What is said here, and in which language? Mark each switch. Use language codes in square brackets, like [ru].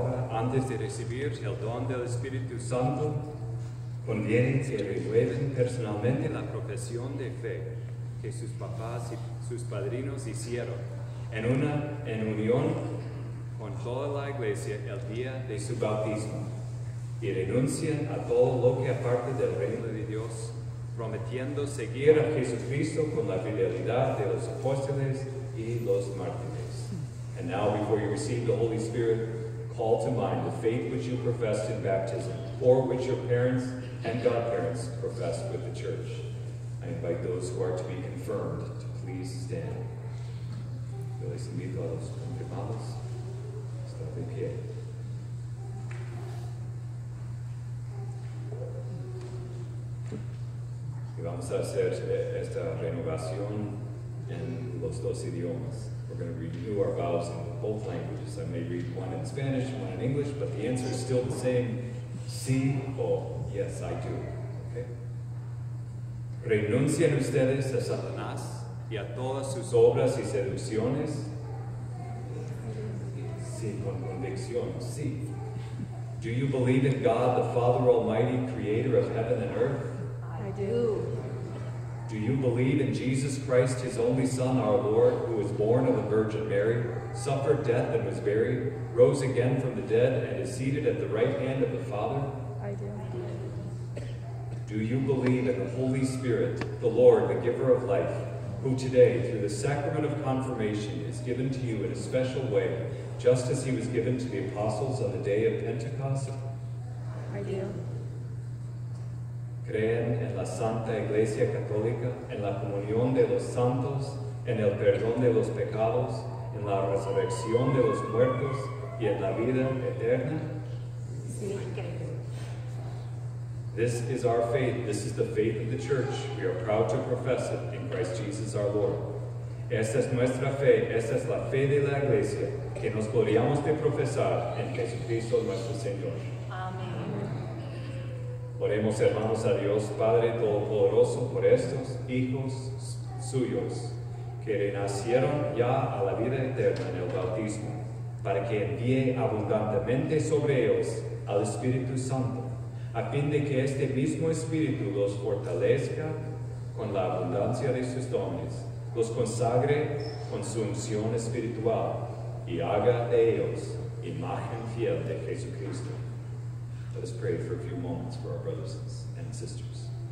[es] Antes de recibir el don del Espíritu Santo, conviene que renueven personalmente la profesión de fe que sus papás y sus padrinos hicieron en unión con toda la Iglesia el día de su bautismo, y renuncien a todo lo que aparte del reino de Dios, prometiendo seguir a Jesucristo con la fidelidad de los apóstoles y los mártires. [en] And now, before you receive the Holy Spirit, call to mind the faith which you professed in baptism, or which your parents and godparents professed with the church. I invite those who are to be confirmed to please stand. [es] Feliz invito a los confirmados. Estad en pie. Y vamos a hacer esta renovación en los dos idiomas. [en] We're going to renew our vows in both languages. I may read one in Spanish, one in English, but the answer is still the same. [es] Sí o [en] yes, I do. Okay. [es] ¿Renuncian ustedes a Satanás y a todas sus obras y seducciones? Sí, con convicción. Sí. [en] Do you believe in God, the Father Almighty, creator of heaven and earth? I do. Do you believe in Jesus Christ, his only Son, our Lord, who was born of the Virgin Mary, suffered death and was buried, rose again from the dead, and is seated at the right hand of the Father? I do. Do you believe in the Holy Spirit, the Lord, the giver of life, who today, through the sacrament of confirmation, is given to you in a special way, just as he was given to the apostles on the day of Pentecost? I do. [es] ¿Creen en la Santa Iglesia Católica, en la comunión de los santos, en el perdón de los pecados, en la resurrección de los muertos y en la vida eterna? Sí, creo. [en] This is our faith. This is the faith of the Church. We are proud to profess it in Christ Jesus our Lord. [es] Esta es nuestra fe. Esta es la fe de la Iglesia que nos gloriamos de profesar en Jesucristo nuestro Señor. Oremos, hermanos, a Dios Padre Todopoderoso por estos hijos suyos que renacieron ya a la vida eterna en el bautismo, para que envíe abundantemente sobre ellos al Espíritu Santo, a fin de que este mismo Espíritu los fortalezca con la abundancia de sus dones, los consagre con su unción espiritual y haga de ellos imagen fiel de Jesucristo. [en] Let us pray for a few moments for our brothers and sisters.